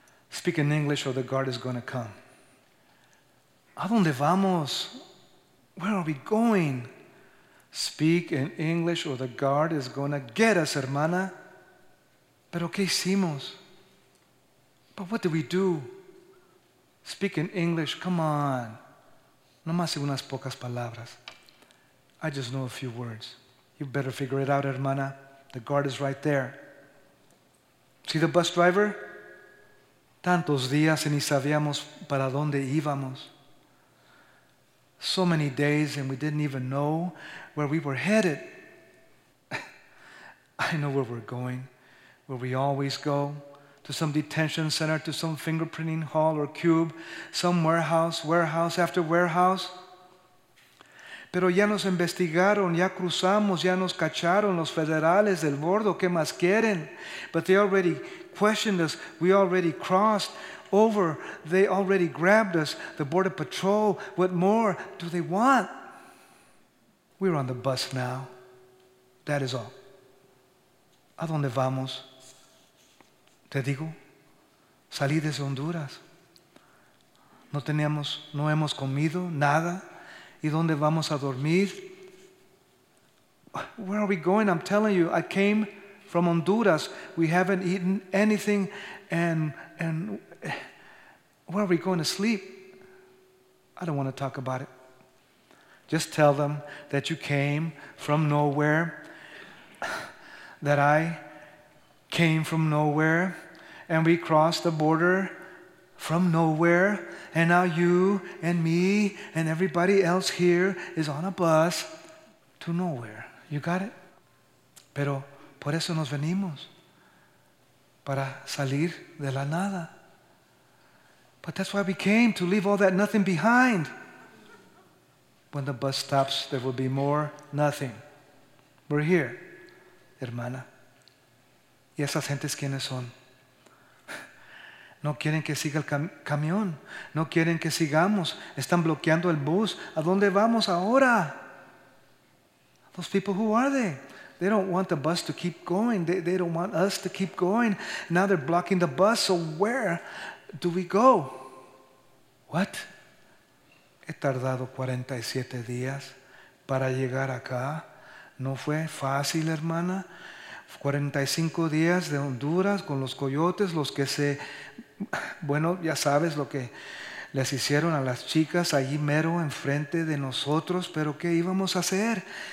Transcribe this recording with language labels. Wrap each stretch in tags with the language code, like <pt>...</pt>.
<en>Speak in English or the guard is going to come.</en> <es>¿A dónde vamos?</es> <en>Where are we going? Speak in English or the guard is going to get us, hermana.</en> <es>¿Pero qué hicimos?</es> <en>But what do we do? Speak in English, come on.</en> <es>No más unas pocas palabras.</es> <en>I just know a few words. You better figure it out, hermana. The guard is right there. See the bus driver?</en> <es>Tantos días y ni sabíamos para dónde íbamos.</es> <en>So many days and we didn't even know where we were headed. I know where we're going, where we always go. To some detention center, to some fingerprinting hall or cube, some warehouse, warehouse after warehouse.</en> <es>Pero ya nos investigaron, ya cruzamos, ya nos cacharon los federales del bordo, ¿qué más quieren?</es> <en>But they already questioned us, we already crossed over, they already grabbed us, the border patrol, what more do they want? We're on the bus now, that is all.</en> <es>¿A dónde vamos? Te digo, salí desde Honduras. No teníamos, no hemos comido nada. ¿Y dónde vamos a dormir?</es> <en>Where are we going? I'm telling you, I came from Honduras. We haven't eaten anything. And where are we going to sleep? I don't want to talk about it. Just tell them that you came from nowhere. That I came from nowhere. And we crossed the border from nowhere. And now you and me and everybody else here is on a bus to nowhere. You got it?</en> <es>Pero por eso nos venimos. Para salir de la nada.</es> <en>But that's why we came, to leave all that nothing behind. When the bus stops, there will be more nothing. We're here,</en> <es>hermana. ¿Y esas gentes quiénes son? No quieren que siga el camión. No quieren que sigamos. Están bloqueando el bus. ¿A dónde vamos ahora?</es> <en>Those people, who are they? They don't want the bus to keep going. They don't want us to keep going. Now they're blocking the bus. So where do we go? What?</en> <es>He tardado 47 días para llegar acá. No fue fácil, hermana. 45 días de Honduras con los coyotes, los que se... Bueno, ya sabes lo que les hicieron a las chicas allí mero enfrente de nosotros, pero ¿qué íbamos a hacer?</es>